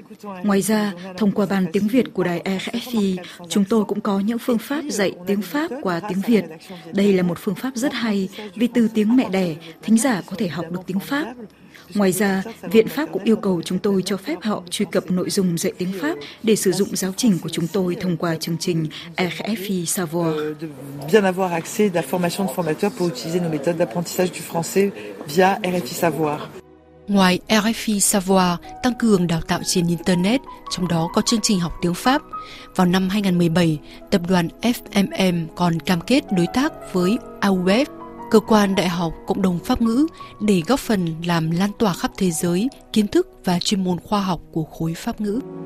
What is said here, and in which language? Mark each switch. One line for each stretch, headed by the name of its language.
Vietnamese: Ngoài ra, thông qua bản tiếng Việt của đài RFI, chúng tôi cũng có những phương pháp dạy tiếng Pháp qua tiếng Việt. Đây là một phương pháp rất hay, vì từ tiếng mẹ đẻ, thính giả có thể học được tiếng Pháp. Ngoài ra, Viện Pháp cũng yêu cầu chúng tôi cho phép họ truy cập nội dung dạy tiếng Pháp để sử dụng giáo trình của chúng tôi thông qua chương trình RFI Savoir.
French: Bien avoir accès à la formation de formateur pour utiliser nos méthodes d'apprentissage du français via RFI Savoir.
Vietnamese: Ngoài RFI Savoir tăng cường đào tạo trên Internet, trong đó có chương trình học tiếng Pháp, vào năm 2017, tập đoàn FMM còn cam kết đối tác với AUF, cơ quan đại học cộng đồng pháp ngữ, để góp phần làm lan tỏa khắp thế giới kiến thức và chuyên môn khoa học của khối pháp ngữ.